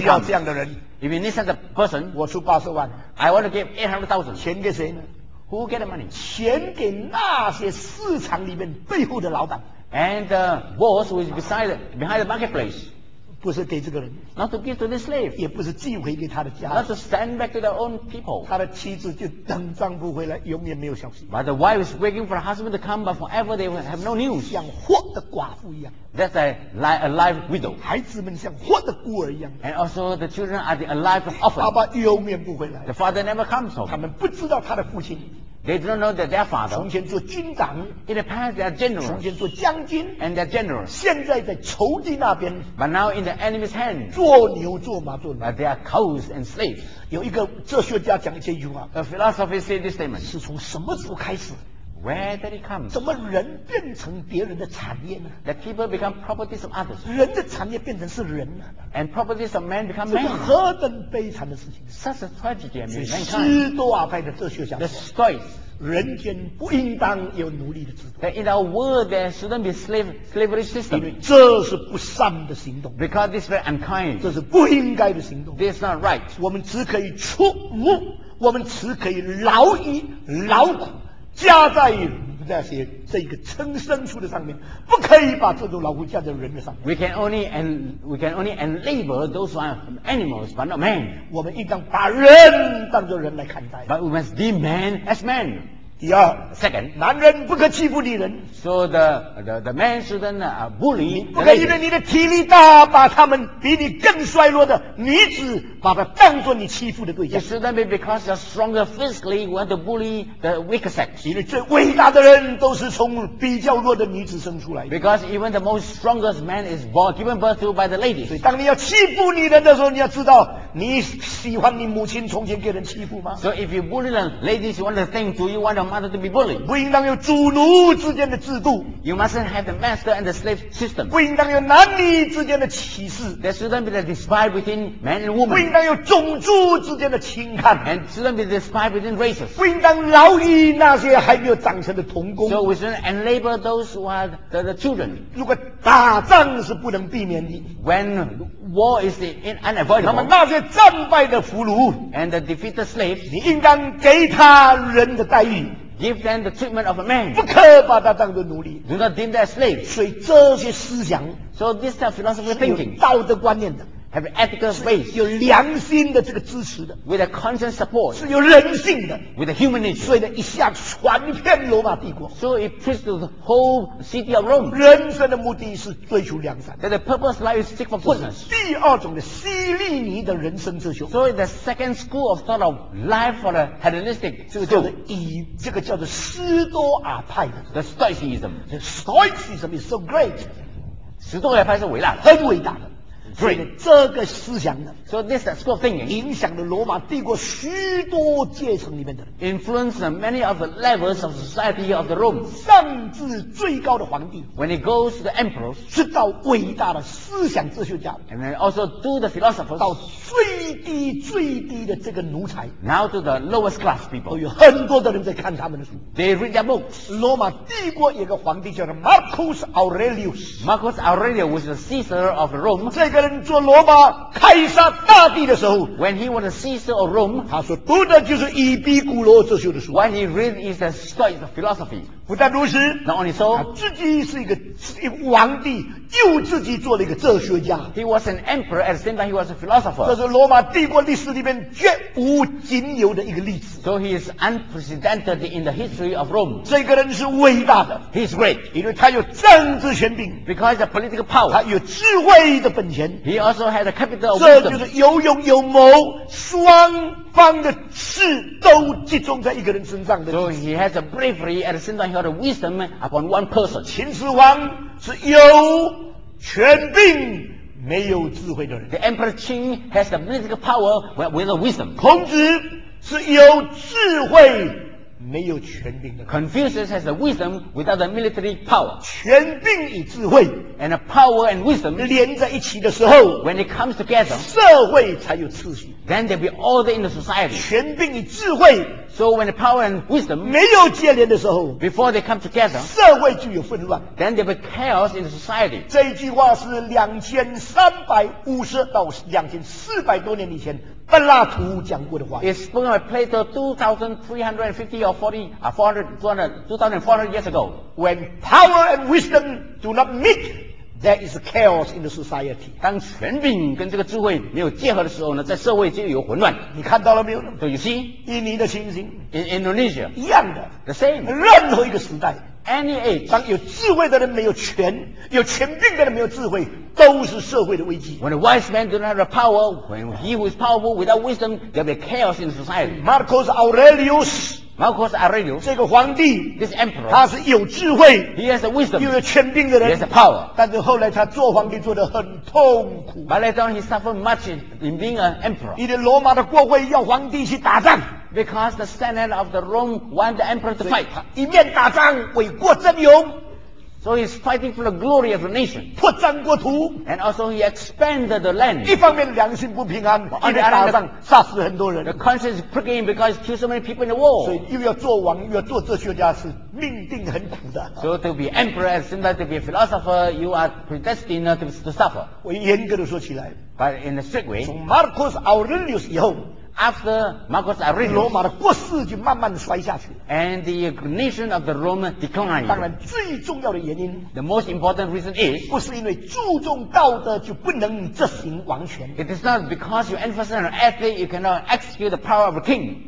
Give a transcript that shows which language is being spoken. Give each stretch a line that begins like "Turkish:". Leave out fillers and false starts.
Chinese: 我需要这样的人。
English: If you need such a person,
Chinese: 我出800,000。
English: I want to give 800,000.
Chinese: 钱给谁呢
English: ？Who get the money?
Chinese: 钱给那些市场里面背后的老板。
English: And the boss who is behind the marketplace.
Chinese: 不是给这个人
English: ，not to give to the slave，
Chinese: 也不是寄回给他的家
English: ，not to send back to their own people。
Chinese: 他的妻子就等丈夫回来，永远没有消息。
English: But the wife is waiting for the husband to come, but forever they will have no news。
Chinese: 像活的寡妇一样
English: ，that's a alive widow。
Chinese: 孩子们像活的孤儿一样
English: ，and also the children are the alive orphan。
Chinese: 爸爸永远不回来
English: ，the father never comes home。
Chinese: 他们不知道他的父亲。
English: They don't know that their father.
Chinese: 从前做军长
English: ，in the past they are generals.
Chinese: 从前做将军
English: ，and they are generals.
Chinese: 现在在仇敌那边
English: ，but now in the enemy's hand.
Chinese: 做牛做马做牛
English: ，but they are cows and slaves.
Chinese: 有一个哲学家讲一句话
English: ，a philosopher said this statement.
Chinese: 是从什么时候开始
English: ？Where did it come?
Chinese: 怎么人变成别人的产业呢
English: ？That people become properties of others.
Chinese: 人的产业变成是人呢
English: ？And properties of men become men.
Chinese: 这是何等悲惨的事情
English: ！Such a tragedy.
Chinese: 斯多亚派的哲学家
English: ，the Stoics.
Chinese: 人间不应当有奴隶的制度。
English: That in our world there shouldn't be slavery system.
Chinese: 因为这是不善的行动。
English: Because this is very unkind.
Chinese: 这是不应该的行动。
English: This is not right.
Chinese: 我们只可以出奴，我们只可以劳役劳苦加在那些这个称牲畜的上面，不可以把这种劳苦加在人的上面。
English: We can only labor those who are animals, but not men.
Chinese: 我们应当把人当作人来看待。
English: But we must deem man as man.
Chinese: 第二
English: ，second，
Chinese: 男人不可欺负女人。
English: So the man shouldn't bully.
Chinese: 不可因为你的体力大，把他们比你更衰弱的女子，把她当作你欺负的对象。
English: It shouldn't be because you're stronger physically, you want to bully the weaker sex.
Chinese: 因为最伟大的人都是从比较弱的女子生出来的。
English: Because even the most strongest man is born, given birth to by the ladies.
Chinese: 所以当你要欺负女人的时候，你要知道你喜欢你母亲从前给人欺负吗
English: ？So if you bully the ladies, you want to think, do you want your mother to be bullied?
Chinese: 不应当有主奴之间的制度。
English: You mustn't have the master and the slave system.
Chinese: 不应当有男女之间的歧视。
English: There shouldn't be the despise between man and woman.
Chinese: 不应当有种族之间的轻看。
English: And shouldn't be the despise between races.
Chinese: 不应当劳役那些还没有长成的童工。
English: So we shouldn't enable those who are the children.
Chinese: 如果打仗是不能避免的。
English: When war is unavoidable.
Chinese: 那么那些战败的俘虏
English: ，and the defeated slaves，
Chinese: 你应当给他人的待遇。
English: Give them the treatment of a man.
Chinese: 不可把他当作奴隶。
English: Do not deem them slaves.
Chinese: 所以这些思想
English: ，so this type of philosophical thinking，
Chinese: 是有道德观念的
English: ，have ethical base，
Chinese: 有良心的这个支持的
English: ，with a conscience support，
Chinese: 是有人性的
English: ，with a human nature。
Chinese: 所以呢，一下传遍罗马帝国。
English: So it preached to the whole city of Rome.
Chinese: 人生的目的是追求良善。
English: That the purpose of life is seek for goodness.
Chinese: 第二种的西利尼的人生哲学。
English: So the second school of thought of life for the Hellenistic，
Chinese: 这个叫做以这个叫做斯多亚派的
English: ，the Stoicism。 The Stoicism is so great。
Chinese: 斯多亚派是伟大的，很伟大的。
English: Great.
Chinese: 所以这个思想呢
English: ，So this school of thinking
Chinese: 影响了罗马帝国许多阶层里面的
English: ，influenced many of the levels of society of the Rome，
Chinese: 甚至最高的皇帝
English: ，When it goes to the emperors，
Chinese: 直到伟大的思想哲学家
English: ，And then also to the philosophers，
Chinese: 到最低最低的这个奴才
English: ，Now to the lowest class people，
Chinese: 都有很多的人在看他们的书
English: ，They read their books。
Chinese: 罗马帝国有个皇帝叫做 Marcus Aurelius，
English: Marcus Aurelius was the Caesar of Rome。
Chinese: 这个人做罗马凯撒大帝的时候
English: ，When he was a Caesar of Rome，
Chinese: 他说读的就是以比古罗哲学的书。
English: When he read is the Stoic philosophy，
Chinese: 不但如此
English: ，Not only so，
Chinese: 他自己是一个皇帝，又自己做了一个哲学家。
English: He was an emperor at the same time he was a philosopher。
Chinese: 这是罗马帝国历史里面绝无仅有的一个例子。
English: So he is unprecedented in the history of Rome。
Chinese: 这个人是伟大的
English: ，He's great，
Chinese: 因为他有政治权柄
English: ，Because the political power，
Chinese: 他有智慧的本。
English: He also had a capital of wisdom.
Chinese: 这就是有勇有谋，双方的智都集中在一个人身上的。
English: So he has a bravery at the same time he had a wisdom upon one person.
Chinese: 秦始皇是有权柄没有智慧的人。
English: The Emperor Qin has the political power without wisdom.
Chinese: 孔子是有智慧没有权柄的。
English: Confucius has the wisdom without the military power.
Chinese: 权柄与智慧
English: and a power and wisdom
Chinese: 连在一起的时候
English: when it comes together,
Chinese: 社会才有秩序。
English: Then there will be order in the society.
Chinese: 权柄与智慧
English: so when the power and wisdom
Chinese: 没有接连的时候
English: before they come together,
Chinese: 社会就有混乱。
English: Then there will be chaos in the society.
Chinese: 这一句话是2350到2400多年以前柏拉图讲过的话。
English: It's spoken by Plato 2,400 years ago. When power and wisdom do not meet, there is chaos in the society.
Chinese: 当权柄跟这个智慧没有结合的时候呢，在社会就有混乱。你看到了没有
English: ？So you see,
Chinese: 印尼的情形
English: ，in Indonesia
Chinese: 一样的
English: ，the same.
Chinese: 任何一个时代
English: ，any age，
Chinese: 当有智慧的人没有权，有权柄的人没有智慧。都是社会的危机。
English: When a wise man does not have the power, when he who is powerful without wisdom, there will be chaos in society.
Chinese: Marcus Aurelius, 这个皇帝
English: ，this emperor，
Chinese: 他是有智慧
English: ，he has the wisdom，
Chinese: 又有权柄的人
English: ，he has the power。
Chinese: 但是后来他做皇帝做得很痛苦。
English: But later he suffered much in being an emperor.
Chinese: 因为罗马的国会要皇帝去打仗
English: ，because the senate of the Rome want the emperor to fight.
Chinese: 一面打仗，为国争勇。
English: So he's fighting for the glory of the nation.
Chinese: 破张国土,
English: and also he expanded the land.
Chinese: 一方面良心不平安,
English: on the other hand,
Chinese: 杀死很多人,
English: the conscience is pricking because kill so many people in the war.
Chinese: 所以又要做王, 又要做哲学家, 是命定很苦的,
English: so to be emperor and sometimes to be a philosopher, you are predestined to suffer.
Chinese: 我严格地说起来,
English: but in a strict way,
Chinese: 从 Marcus Aurelius 以后,
English: after Marcus Aurelius,
Chinese: 罗马的国势就慢慢地衰下去,
English: and the nation of the Roman declined.
Chinese: 当然最重要的原因,
English: the most important reason is,
Chinese: 不是因为注重道德就不能执行王权,
English: it is not because you emphasize on ethics, you cannot execute the power of a king.